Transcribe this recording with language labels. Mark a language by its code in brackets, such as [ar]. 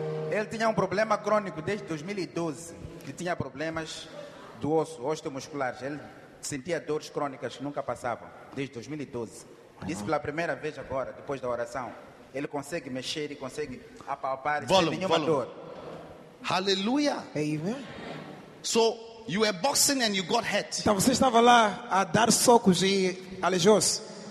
[pt] Ele tinha um problema crônico desde 2012. Ele tinha problemas do osso, osteomusculares. Ele sentia dores crônicas que nunca passavam, desde 2012. Isso pela primeira vez agora, depois da oração. Ele consegue mexer e consegue apalpar sem nenhuma dor. [en] Hallelujah. Amen. So, you were boxing and you got hurt. [pt] Então você estava lá a dar socos e aleijou-se.